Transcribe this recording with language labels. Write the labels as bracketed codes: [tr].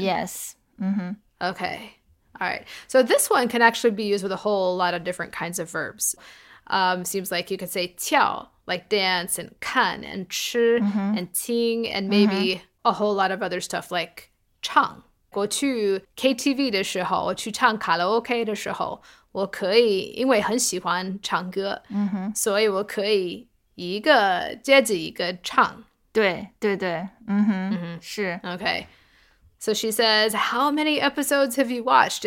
[en] Yes. Mm-hmm. Okay. All right. So this one can actually be used with a whole lot of different kinds of verbs. Seems like you could say 跳, like dance, and 看, and 吃, mm-hmm. and 听, and maybe mm-hmm. a whole lot of other stuff like 唱. [zh] 过去KTV的时候, 去唱卡拉OK的时候, 我可以因为很喜欢唱歌，所以我可以一个接着一个唱。对对对，嗯哼，是。Okay. [en] So she says, how many episodes have you watched?